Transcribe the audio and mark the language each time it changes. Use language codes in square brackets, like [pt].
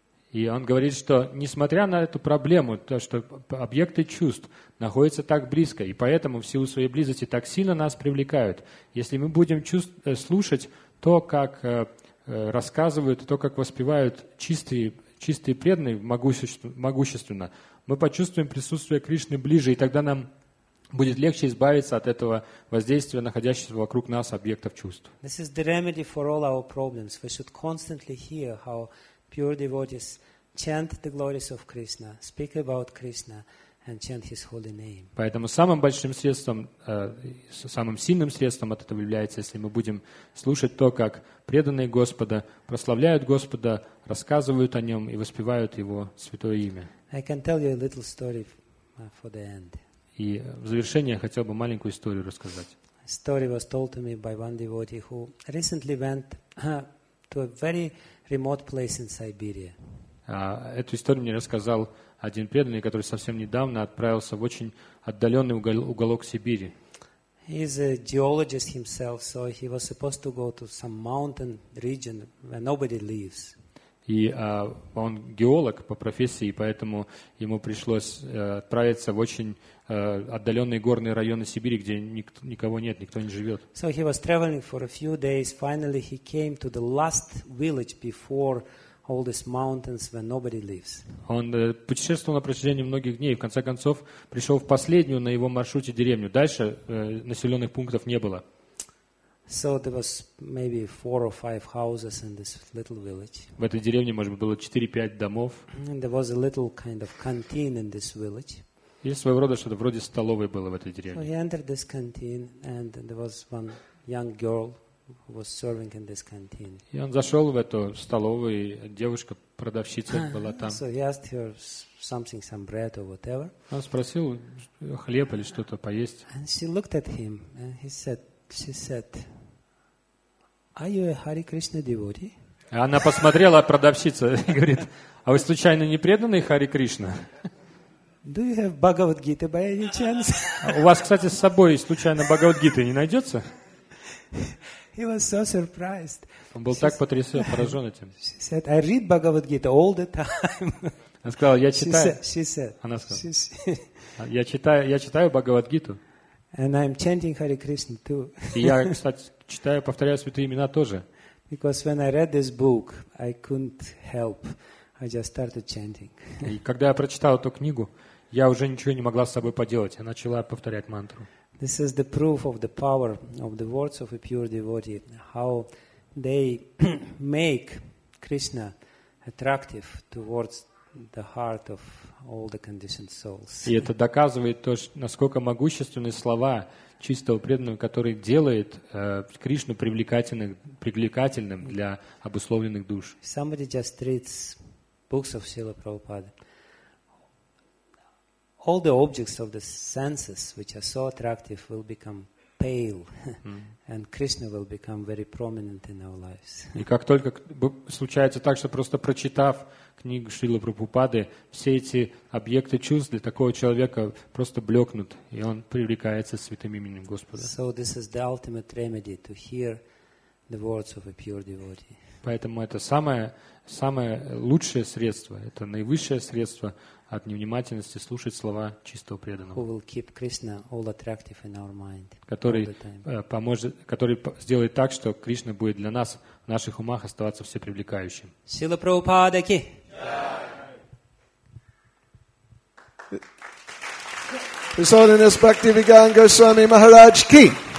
[ru] И он говорит, что несмотря на эту проблему, то, что объекты чувств находятся так близко, и поэтому в силу своей близости так сильно нас привлекают, если мы будем слушать то, как рассказывают, то, как воспевают чистые преданные могущественно, мы почувствуем присутствие Кришны ближе, и тогда нам будет легче избавиться от этого воздействия, находящегося вокруг нас объектов чувств. [en] This is the remedy for all our problems. We should constantly hear how pure devotees chant the glories of Krishna, speak about Krishna, and chant his holy name. [ru] Поэтому самым большим средством, самым сильным средством от этого является, если мы будем слушать то, как преданные Господа прославляют Господа, рассказывают о нем и воспевают его святое имя. [en] I can tell you a little story for the end. [ru] И в завершение я хотел бы маленькую историю рассказать. [en] A story was told to me by one devotee who recently went to a very remote place in Siberia. [ru] Эту историю мне рассказал один преданный, который совсем недавно отправился в очень отдаленный уголок Сибири. [en] He's a geologist himself, so he was supposed to go to some mountain region where nobody lives. [ru] И он геолог по профессии, поэтому ему пришлось отправиться в очень отдаленные горные районы Сибири, где никого нет, никто не живет. [en] So he was traveling for a few days. Finally, he came to the last village before all these mountains where nobody lives. [ru] Он путешествовал на протяжении многих дней и в конце концов пришел в последнюю на его маршруте деревню. Дальше населенных пунктов не было. [en] So there was maybe 4 or 5 houses in this little village. [ru] В этой деревне, может быть, было 4-5 домов. [en] And there was a little kind of canteen in this village. [ru] И своего рода что-то вроде столовой было в этой деревне. [en] So he entered this canteen, and there was one young girl who was serving in this canteen. [ru] И он зашел в эту столовую, девушка-продавщица была там. [en] So he asked her something, some bread or whatever. [ru] Он спросил хлеб или что-то поесть. [en] And she looked at him, and she said, "Are you a Hare Krishna devotee?" [ru] Она посмотрела продавщица и говорит: "А вы случайно не преданный Хари Кришна?" [en] Do you have Bhagavad Gita by any chance? [ru] У вас, кстати, с собой случайно Bhagavad Gita не найдется? [en] He was so surprised. [ru] Он был так потрясён, поражён этим. [en] She said, "I read Bhagavad Gita all the time." [ru] Она сказала: "Я читаю." Она сказала: "Я читаю Bhagavad Gita." [en] And I'm chanting Hare Krishna too. [ru] Я, кстати, читаю, повторяю святые имена тоже. [en] Because when I read this book, I couldn't help. I just started chanting. [ru] И когда я прочитал эту книгу, я уже ничего не могла с собой поделать. Я начала повторять мантру. [en] This is the proof of the power of the words of a pure devotee, how they make Krishna attractive towards the heart of all the conditioned souls. [ru] И это доказывает то, насколько могущественны слова чистого преданного, который делает Кришну привлекательным для обусловленных душ. [en] Somebody just reads books of Srila Prabhupada. All the objects of the senses which are so attractive will become pale, and Krishna will become very prominent in our lives. [ru] И как только случается так, что просто прочитав книгу Шрилы Прабхупады, все эти объекты чувств для такого человека просто блекнут, и он привлекается святым именем Господа. [en] So this is the ultimate remedy to hear the words of a pure devotee. [ru] Поэтому это самое лучшее средство, это наивысшее средство от невнимательности слушать слова чистого преданного. [en] Who will keep Krishna all attractive in our mind? [ru] Который сделает так, что Кришна будет для нас в наших умах оставаться все привлекающим. Сила Прабхупады ки. [en] His Holiness Bhaktivedanta Goswami Maharaj ki.